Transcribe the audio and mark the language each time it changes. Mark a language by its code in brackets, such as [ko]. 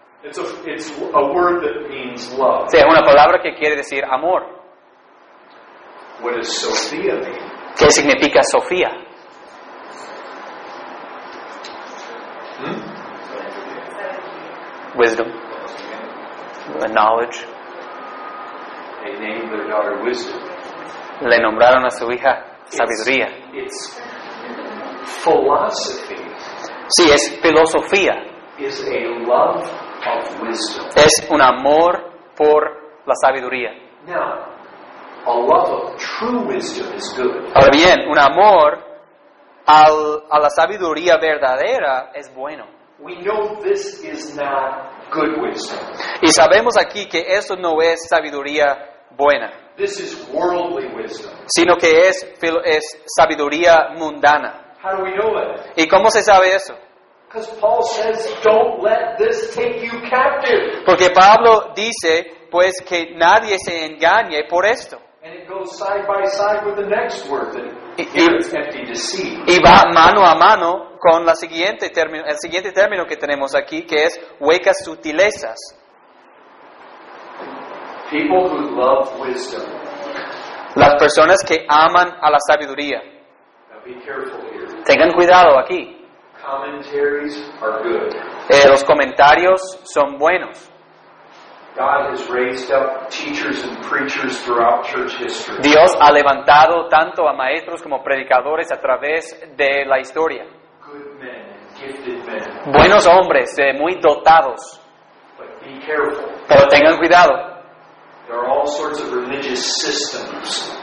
[en] It's a word that means love. [es] Sí, es una palabra que quiere decir amor. [en] What does Sophia mean? [es] ¿Qué significa Sofía? [en] Wisdom. The knowledge. They named their daughter Wisdom. [es] Le nombraron a su hija Sabiduría. [en] It's philosophy. [es] Sí, es filosofía. [en] Is a love of wisdom. [es] Es un amor por la sabiduría. [en] Now, a love of true wisdom is good. [es] Ahora bien, un amor a la sabiduría verdadera es bueno. [en] We know this is not good wisdom. [es] Y sabemos aquí que eso no es sabiduría buena. [en] This is worldly wisdom. [es] Sino que es sabiduría mundana. [en] How do we know it? [es] ¿Y cómo se sabe eso? [en] Because Paul says, don't let this take you captive. [es] Porque Pablo dice, pues, que nadie se engañe por esto. [en] And it goes side by side with the next word that [es] y va mano a mano con el siguiente término que tenemos aquí, que es huecas sutilezas. [en] People who love wisdom. [es] Las personas que aman a la sabiduría. [en] Now be careful here. [es] Tengan cuidado aquí. [en] Commentaries are good. [es] Los comentarios son buenos. [en] God has raised up teachers and preachers throughout church history. [es] Dios ha levantado tanto a maestros como predicadores a través de la historia. [en] Good men, gifted men. [es] Buenos hombres, muy dotados. [en] But be careful. [es] Pero tengan cuidado. [en] There are all sorts of religious systems.